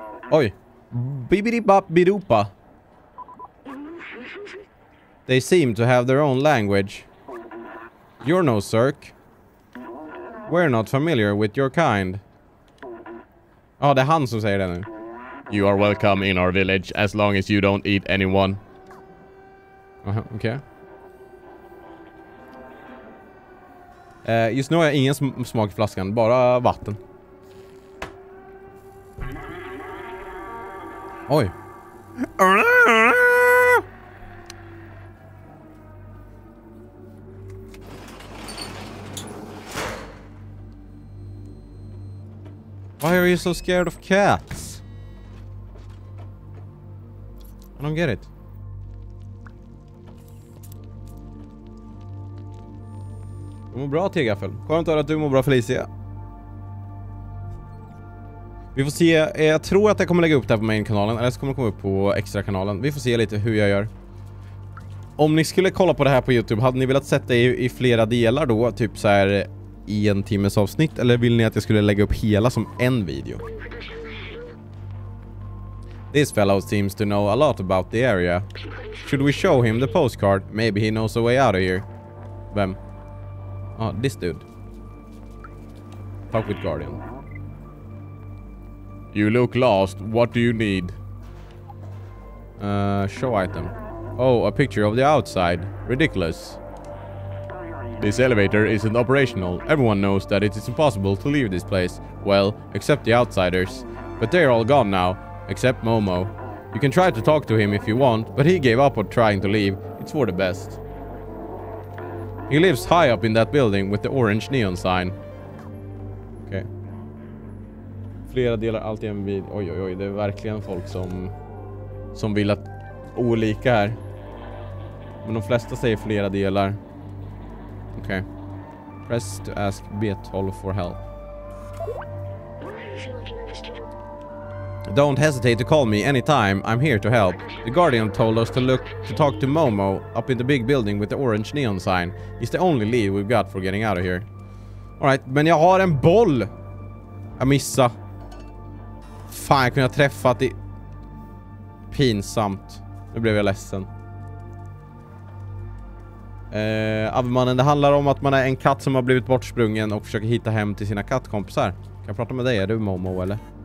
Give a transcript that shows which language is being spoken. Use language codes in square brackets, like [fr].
[en] Oi! Bibidi bop bidupa! They seem to have their own language. You're no Zerk. We're not familiar with your kind. [sv] Oh, det är han som säger det nu. [en] You are welcome in our village as long as you don't eat anyone. Okay. [sv] Just nu har jag ingen smak i flaskan, bara vatten. Oj. [en] Why are you so scared of cats? I don't get it. [sv] Du mår bra, Tegaffel. Skönt att du mår bra, Felicia. Vi får se. Jag tror att jag kommer lägga upp det här på main-kanalen. Eller så kommer det komma upp på extra-kanalen. Vi får se lite hur jag gör. Om ni skulle kolla på det här på YouTube, hade ni velat sätta det i flera delar då? Typ så här i en timmes avsnitt? Eller vill ni att jag skulle lägga upp hela som en video? [en] This fellow seems to know a lot about the area. Should we show him the postcard? Maybe he knows a way out of here. [sv] Vem? [en] Ah, this dude. Talk with Guardian. You look lost. What do you need? Show item. Oh, a picture of the outside. Ridiculous. This elevator isn't operational. Everyone knows that it is impossible to leave this place. Well, except the outsiders. But they're all gone now. Except Momo. You can try to talk to him if you want, but he gave up on trying to leave. It's for the best. He lives high up in that building with the orange neon sign. [sv] Okej. Flera delar alltid en vid. Oj, oj, oj. Det är verkligen folk som vill att olika här. Men de flesta säger flera delar. Okej. [en] Press to ask B12 for help. Don't hesitate to call me anytime. I'm here to help. The Guardian told us to look to talk to Momo up in the big building with the orange neon sign. It's the only lead we've got for getting out of here. All right, [sv] men jag har en boll. Jag missa. Fan, jag kunde ha träffat det. Pinsamt. Nu blev jag ledsen. Avmannen, det handlar om att man är en katt som har blivit bortsprungen och försöker hitta hem till sina kattkompisar. Kan jag prata med dig? Är du Momo eller?